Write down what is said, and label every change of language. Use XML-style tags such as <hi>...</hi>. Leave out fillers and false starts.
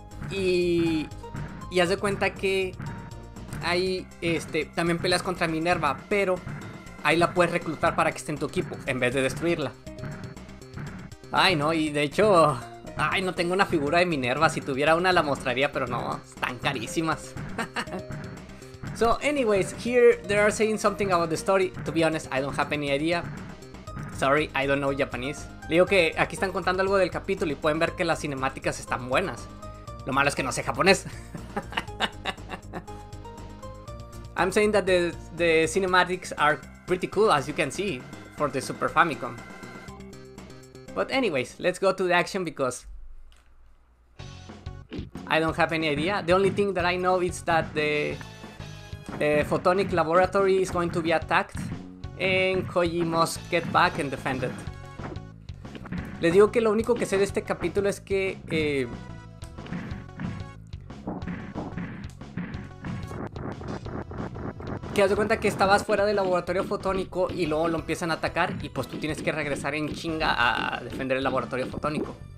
<es>Y haz de cuenta que ahí también peleas contra Minerva, pero ahí la puedes reclutar para que esté en tu equipo en vez de destruirla. Ay, no, y de hecho, ay, no tengo una figura de Minerva. Si tuviera una la mostraría, pero no, están carísimas.</es> <en>So anyways, here they are saying something about the story. To be honest, I don't have any idea. Sorry, I don't know Japanese.</en> <es>Le digo que aquí están contando algo del capítulo y pueden ver que las cinemáticas están buenas. Lo malo es que no sé japonés.</es> <en>I'm saying that the cinematics are pretty cool, as you can see, for the Super Famicom. But anyways, let's go to the action because I don't have any idea. The only thing that I know is that the photonic laboratory is going to be attacked and Koji must get back and defend it.</en> <es>Les digo que lo único que sé de este capítulo es que te das cuenta que estabas fuera del laboratorio fotónico y luego lo empiezan a atacar y pues tú tienes que regresar en chinga a defender el laboratorio fotónico.</es>